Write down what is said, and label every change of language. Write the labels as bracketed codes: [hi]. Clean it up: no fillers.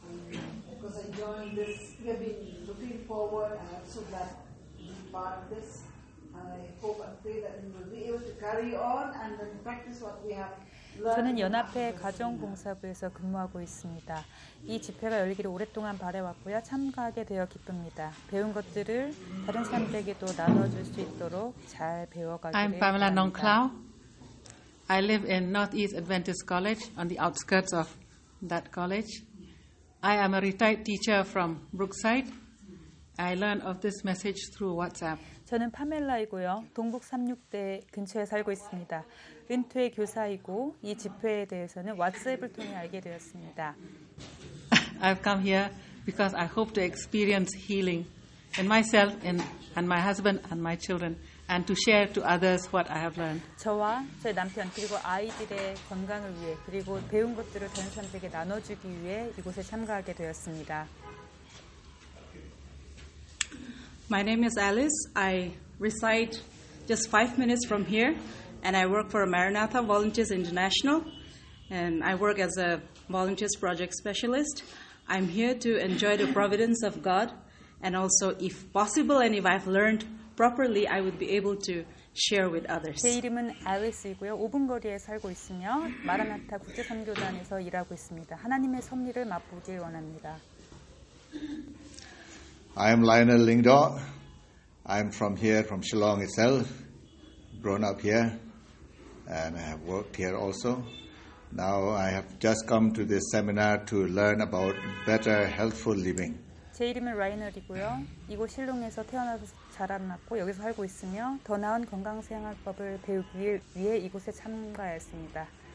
[en] Because I joined this, we have been looking forward, and I'm so glad to be part of this. And I hope and pray that we will be able to carry on and then practice what we have. [ko] 저는 연합회 가정봉사부에서 근무하고 있습니다. 이 집회가 열리기를 오랫동안 바래왔고요. 참가하게 되어 기쁩니다. 배운 것들을 다른 사람들에게도 나눠줄 수 있도록 잘 배워가기를 바랍니다. [en] I'm Pamela Nongklau. I live in Northeast Adventist College on the outskirts of that college. I am a retired teacher from Brookside. I learned of this message through WhatsApp. [ko] 저는 파멜라이고요. 동북 36대 근처에 살고 있습니다. 은퇴 교사이고 이 집회에 대해서는 왓츠앱을 통해 알게 되었습니다. [en] I've come here because I hope to experience healing in myself and my husband and my children and to share to others what I have learned. [ko] 저와 제 남편 그리고 아이들의 건강을 위해 그리고 배운 것들을 다른 사람들에게 나눠주기 위해 이곳에 참가하게 되었습니다. [en] My name is Alice. I reside just 5 minutes from here, and I work for Maranatha Volunteers International, and I work as a Volunteers Project Specialist. I'm here to enjoy the providence of God, and also, if possible, and if I've learned properly, I would be able to share with others. [ko] 제 이름은 Alice이고요. 5분 거리에 살고 있으며 마라나타 국제선교단에서 일하고 있습니다. 하나님의 섭리를 맛보길 원합니다. [en] I am Lionel Lingdo. I am from here, from Shillong itself, grown up here, and I have worked here also. Now I have just come to this seminar to learn about better healthful living. [ko] 제 이름은 라이널이고요. 이곳 실롱에서 태어나서 자랐고 여기서 살고 있으며 더 나은 건강 생활법을 배우기 위해 이곳에 참가했습니다.